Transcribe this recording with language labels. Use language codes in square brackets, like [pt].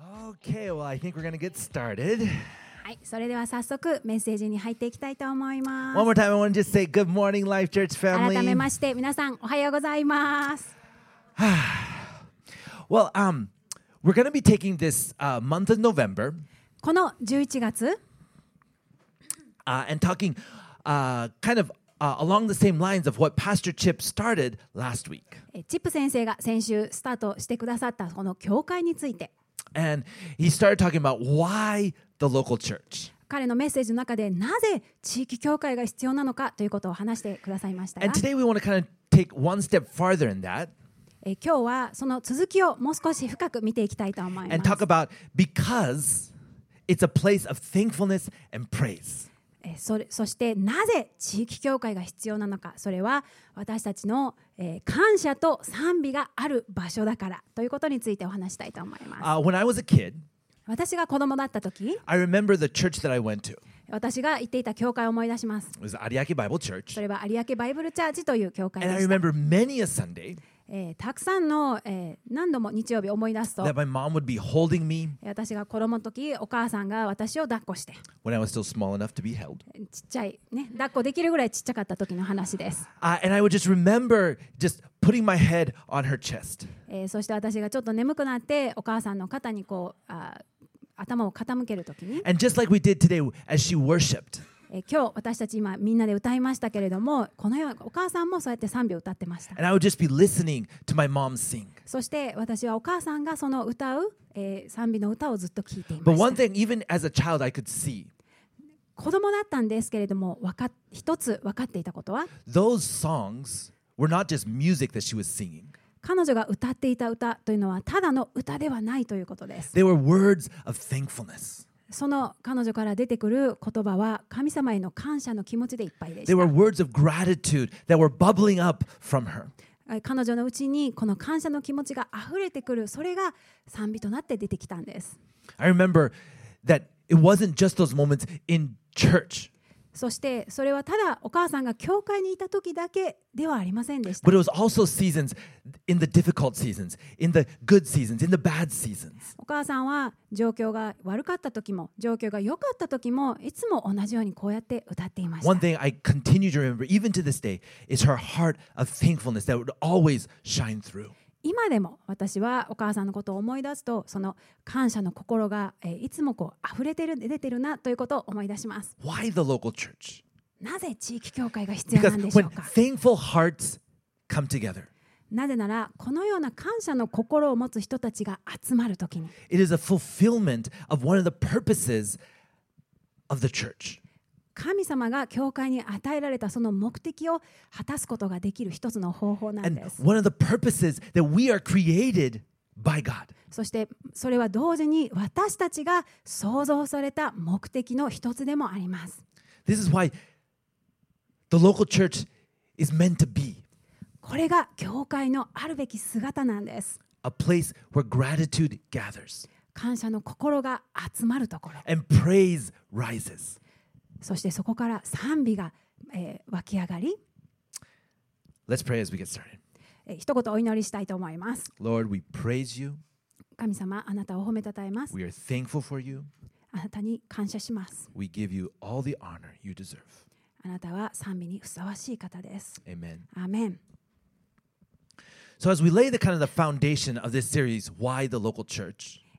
[en] Okay, well, I think we're gonna get started. [ja] はい、それでは早速メッセージに入っていきたいと思います。 [en] One more time, I want to just say good morning, Life Church family. [ja] 改めまして、皆さんおはようございます。 [en] Well, we're gonna be taking this month of November. [ja] この11月。 [en] And talking kind of along the same lines of what Pastor Chip started last week. [ja] Chip 先生が先週スタートしてくださったこの教会について。 [en] And he started talking about why the local church. [ja] 彼のメッセージの中でなぜ地域教会が必要なのかということを話してくださいましたが。 [en] And today we want to kind of take one step farther in that. [ja] 今日はその続きをもう少し深く見ていきたいと思います。 [en] And talk about because it's a place of thankfulness and praise. [ja] そしてなぜ地域教会が必要なのか、それは私たちの感謝と賛美がある場所だからということについてお話したいと思います。 [en] When I was a kid, [ja] 私が子供だった時、 [en] I remember the church that I went to. [ja] 私が行っていた教会を思い出します。 [en] It was 有明 Bible Church. [ja] それは有明バイブルチャーチという教会でした。 [en] And I remember many a Sunday. [ja] たくさんの、何度も日曜日思い出すと [en] that my mom would be holding me. [ja] 私が子供の時、お母さんが私を抱っこして [en] when I was still small enough to be held. [ja] ちっちゃいね、抱っこできるぐらいちっちゃかった時の話です。 [en] And I would just remember just putting my head on her chest. [ja] そして私がちょっと眠くなってお母さんの肩にこう、頭を傾ける時に [en] And just like we did today as she worshipped. [ja] 今日私たち今みんなで歌いましたけれども、このようにお母さんもそうやって賛美を歌ってました。 [en] And I would just be listening to my mom sing. [ja] そして私はお母さんがその歌う、賛美の歌をずっと聞いていました。 [en] But one thing, even as a child, I could see. [ja] 子供だったんですけれども、一つ分かっていたことは、 [en] Those songs were not just music that she was singing. [ja] 彼女が歌っていた歌というのはただの歌ではないということです。 [en] They were words of thankfulness. [ja] その彼女から出てくる言葉は神様への感謝の気持ちでいっぱいでした。 [en] There were words of gratitude that were bubbling up from her. [ja] 彼女のうちにこの感謝の気持ちが溢れてくる、それが賛美となって出てきたんです。 [en] I remember that it wasn't just those moments in church. [ja] そしてそれはただお母さんが教会にいた時だけではありませんでした。 [en] But it was also seasons in the difficult seasons, in the good seasons, in the bad seasons. [ja] お母さんは状況が悪かった時も、状況が良かった時も、いつも同じようにこうやって歌っていました。 [en] One thing I continue to remember, even to this day, is her heart of thankfulness that would always shine through. [ja] 今でも私はお母さんのことを思い出すと、その感謝の心がいつもこう溢れてる、出てるなということを思い出します。 [en] Why the local church? [ja] なぜ地域教会が必要なんでしょうか。 [en] Because when thankful hearts come together, [ja] なぜならこのような感謝の心を持つ人たちが集まるときに、 [en] It is a fulfillment of one of the purposes of the church. [ja] 神様が教会に与えられたその目的を果たすことができる一つの方法なんです。 [en] And one of the purposes that we are created by God. [ja] そしてそれは同時に私たちが創造された目的の一つでもあります。 [en] This is whyThe local church is meant to be. [ja] これが教会のあるべき姿なんです。 [en] A place where gratitude gathers. [ja] 感謝の心が集まるところ。 [en] And praise rises. [ja] そしてそこから賛美が、湧き上がり。 [en] Let's pray as we get started. [ja] 一言お祈りしたいと思います。 [en] Lord, we praise you. [ja] 神様、あなたを褒めたたえます。 [en] We are thankful for you. [ja] あなたに感謝します。 [en] We give you all the honor you deserve. [ja] あなたは賛美にふさわしい方です。 [en] Amen. Amen. So as we lay the kind of the foundation of this series, why the local church?